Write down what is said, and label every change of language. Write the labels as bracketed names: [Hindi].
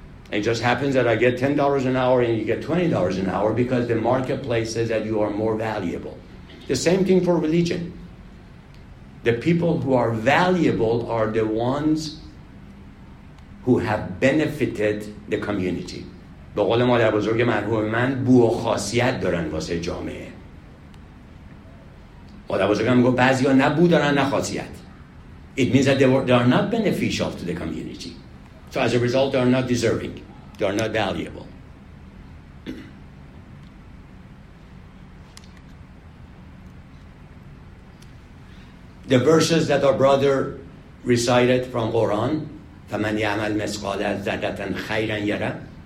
[English] It just happens that I get $10 an hour and you get $20 an hour because the marketplace says that you are more valuable. The same thing for religion. The people who are valuable are the ones who have benefited the community. [Persian] به قول مادر بزرگ مرحوم من، بو و خاصیت دارن واسه جامعه. مادر بزرگم میگه بعضیا نه بو دارن نه خاصیت. [English] It means that they are not beneficial to the community. So as a result, they are not deserving. They are not valuable. The verses that our brother recited from Quran, [Arabic] فَمَنْ يَعْمَلْ مِثْقَالَ ذَرَّةً خَيْرًا يَرَهُ.